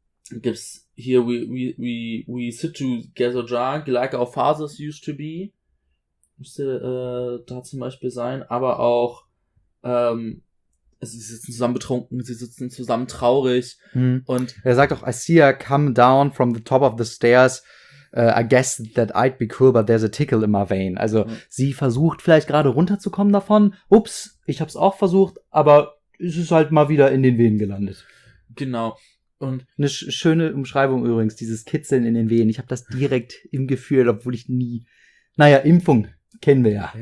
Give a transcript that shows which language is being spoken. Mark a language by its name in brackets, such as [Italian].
[German] Gibt's hier, [English] we sit together drunk, like our fathers used to be. [German] Müsste da zum Beispiel sein. Aber auch sie sitzen zusammen betrunken, sie sitzen zusammen traurig. [English] Hm. [German] Und er sagt auch, [English] I see her come down from the top of the stairs. I guess that I'd be cool, but there's a tickle in my vein. [German] Also sie versucht vielleicht gerade runterzukommen davon. Ups, ich hab's auch versucht, aber es ist halt mal wieder in den Venen gelandet. Genau. Und eine schöne Umschreibung übrigens, dieses Kitzeln in den Venen. Ich hab das direkt im Gefühl, obwohl ich nie... Naja, Impfung. Kennen wir ja.